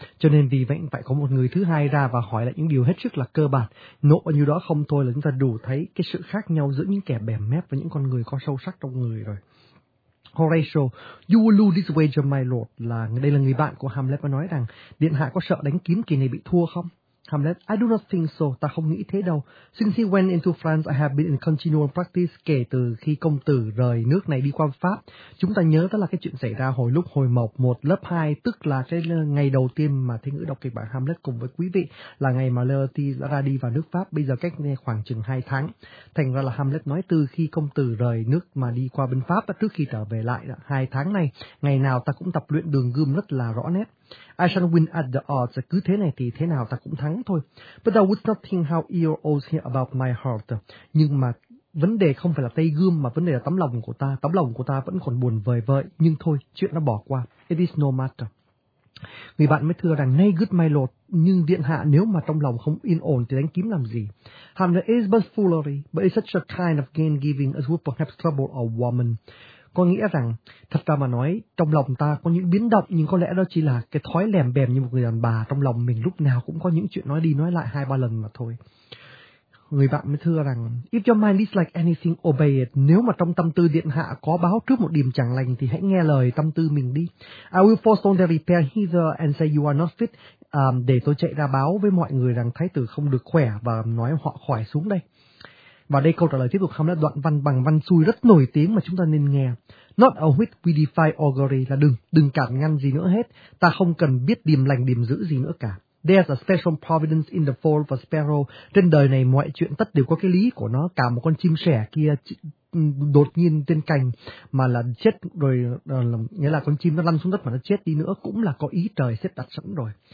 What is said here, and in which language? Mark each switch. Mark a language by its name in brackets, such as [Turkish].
[Vietnamese] Cho nên vì vậy phải có một người thứ hai ra và hỏi lại những điều hết sức là cơ bản. Nộ bao nhiêu đó không thôi là chúng ta đủ thấy cái sự khác nhau giữa những kẻ bèm mép và những con người có sâu sắc trong người rồi. [English] Horatio, you will lose this wager, my lord. [Vietnamese] Là đây là người bạn của Hamlet và nói rằng, điện hạ có sợ đánh kiếm kỳ này bị thua không? [English] Hamlet, I do not think so. [Vietnamese] Ta không nghĩ thế đâu. [English] Since he went into France, I have been in continual practice. [Vietnamese] Kể từ khi công tử rời nước này đi qua Pháp, chúng ta nhớ đó là cái chuyện xảy ra hồi lúc hồi mộc một lớp 2, tức là cái ngày đầu tiên mà Thế Ngữ đọc kịch bản Hamlet cùng với quý vị, là ngày mà Laertes đã ra đi vào nước Pháp, bây giờ cách nghe khoảng chừng 2 tháng. Thành ra là Hamlet nói từ khi công tử rời nước mà đi qua bên Pháp, trước khi trở về lại, 2 tháng này, ngày nào ta cũng tập luyện đường gươm rất là rõ nét. [English] I shall win at the odds, [Vietnamese] cứ thế này thì thế nào ta cũng thắng thôi. [English] But thou wouldst not think how ill old here about my heart. [Vietnamese] Nhưng mà vấn đề không phải là tay gươm mà vấn đề là tấm lòng của ta. Tấm lòng của ta vẫn còn buồn vời vợi, nhưng thôi, chuyện nó bỏ qua. [English] It is no matter. [Vietnamese] Người bạn mới thưa rằng, [English] nay good my lord, [Vietnamese] nhưng điện hạ nếu mà trong lòng không yên ổn thì đánh kiếm làm gì? [English] Hamlet, is but foolery, but it's such a kind of gain giving as would perhaps trouble a woman. [Vietnamese] Có nghĩa rằng, thật ra mà nói, trong lòng ta có những biến động, nhưng có lẽ đó chỉ là cái thói lèm bèm như một người đàn bà, trong lòng mình lúc nào cũng có những chuyện nói đi nói lại 2-3 lần mà thôi. Người bạn mới thưa rằng, [English] if your mind is like anything, obey it. [Vietnamese] Nếu mà trong tâm tư điện hạ có báo trước một điểm chẳng lành thì hãy nghe lời tâm tư mình đi. [English] I will forestall the repair hither and say you are not fit. [Vietnamese] Để tôi chạy ra báo với mọi người rằng thái tử không được khỏe và nói họ khỏi xuống đây. Và đây câu trả lời tiếp tục Hamlet, đoạn văn bằng văn xuôi rất nổi tiếng mà chúng ta nên nghe. [English] Not a whit we defy augury, [Vietnamese] là đừng cản ngăn gì nữa hết. Ta không cần biết điềm lành điềm dữ gì nữa cả. [English] There's a special providence in the fall of a sparrow. [Vietnamese] Trên đời này mọi chuyện tất đều có cái lý của nó. Cả một con chim sẻ kia đột nhiên trên cành mà là chết rồi, nghĩa là con chim nó lăn xuống đất mà nó chết đi nữa cũng là có ý trời xếp đặt sẵn rồi.